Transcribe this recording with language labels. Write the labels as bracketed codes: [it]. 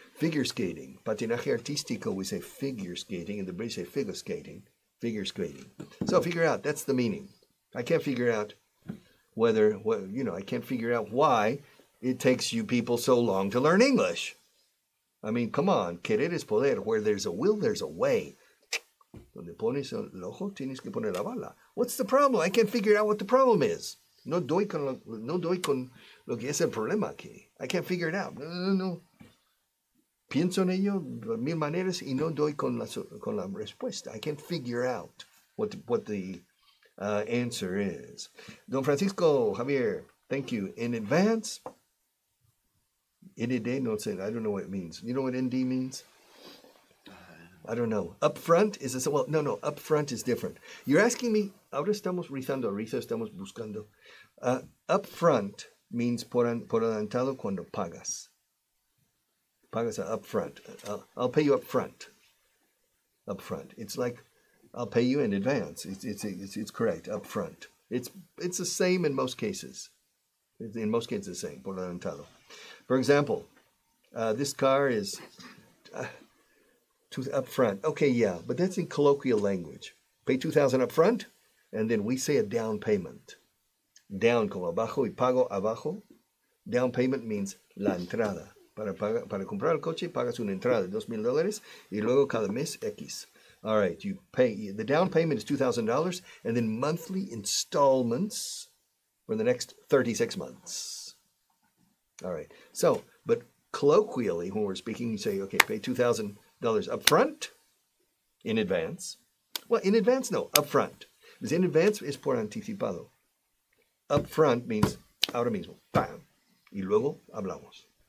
[en] Figure skating, [es] patinaje artístico, [en] we say figure skating, and the British say figure skating. So figure out, that's the meaning. I can't figure out I can't figure out why it takes you people so long to learn English. I mean, come on, [es] querer es poder. [en] Where there's a will, there's a way. [es] Donde pones el ojo, tienes que poner la bala. [en] What's the problem? I can't figure out what the problem is. [es] No doy con lo que es el problema aquí. [en] I can't figure it out. [es] No. Pienso en ello mil maneras y no doy con la respuesta. [en] I can't figure out what the answer is. Don Francisco Javier, thank you. In advance. N-D, [es] no sé, [en] I don't know what it means. You know what N-D means? I don't know. Up front is, no, up front is different. You're asking me, [es] ahora estamos rizando, ahorita estamos buscando. [en] Up front means [es] por adelantado cuando pagas. Pagas [en] up front. I'll pay you up front. Up front. It's like, I'll pay you in advance. It's correct, up front. It's the same in most cases. In most kids, it's the same. [es] Por adelantado. [en] For example, this car is up front. Okay, yeah, but that's in colloquial language. Pay $2,000 up front, and then we say a down payment. [es] Down como abajo y pago abajo. [en] Down payment means [es] la entrada. Para comprar el coche, pagas una entrada de $2,000 y luego cada mes X. [en] All right, you pay. The down payment is $2,000, and then monthly installments for the next 36 months. All right, so, but colloquially, when we're speaking, you say, okay, pay $2,000 up front, in advance. Well, in advance, no, up front. Because in advance [es] es por anticipado. [en] Up front means [es] ahora mismo, bam, y luego hablamos.